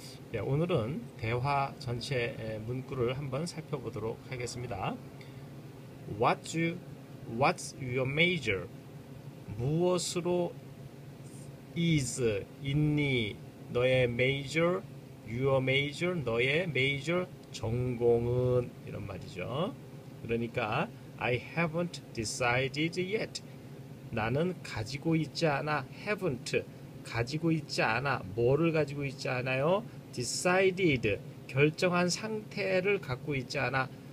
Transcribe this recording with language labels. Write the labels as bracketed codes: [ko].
[ko] 네, 오늘은 대화 전체 문구를 한번 살펴보도록 하겠습니다. [en] What's your major? [ko] 무엇으로 is 있니? 너의 major, your major, 너의 major 전공은, 이런 말이죠. [en] 그러니까 I haven't decided yet. [ko] 나는 가지고 있지 않아. Haven't 가지고 있지 않아. 뭐를 가지고 있지 않아요? Decided 결정한 상태를 갖고 있지 않아.